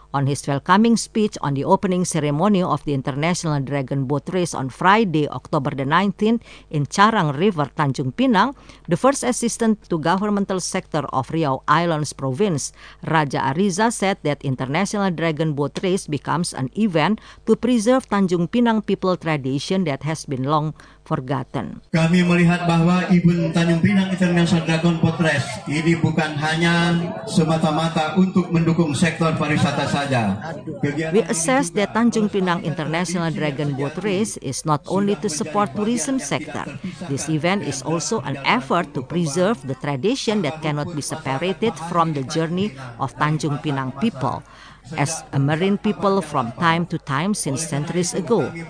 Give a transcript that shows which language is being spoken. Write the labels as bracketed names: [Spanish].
[English] On his welcoming speech on the opening ceremony of the International Dragon Boat Race on Friday, October the 19th, in Charang River, Tanjung Pinang, the first assistant to governmental sector of Riau Islands Province, Raja Ariza, said that International Dragon Boat Race becomes an event to preserve Tanjung Pinang people tradition that has been long forgotten. [Indonesian] Kami melihat bahwa event Tanjung Pinang International Dragon Boat Race ini bukan hanya semata-mata untuk mendukung sektor pariwisata saja. [English] We assess that Tanjung Pinang International Dragon Boat Race is not only to support tourism sector. This event is also an effort to preserve the tradition that cannot be separated from the journey of Tanjung Pinang people. As a marine people from time to time since centuries ago.